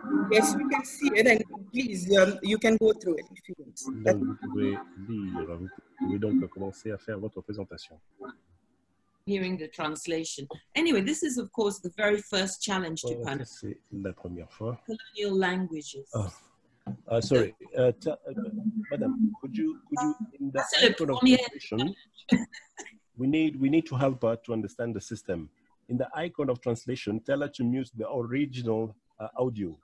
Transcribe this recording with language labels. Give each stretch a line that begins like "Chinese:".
English: Yes, we can see it. And please, you can go through it if you want.
French: Donc, vous pouvez lire. Vous pouvez donc commencer à faire votre présentation.
English: Hearing the translation. Anyway, this is of course the very first challenge to Pan-Africanism.
French: C'est la première fois.
English: Colonial languages. Oh. Sorry, madam, could you in the outer of translation, we need to help her to understand the system. In the icon of translation, tell her to mute the original audio.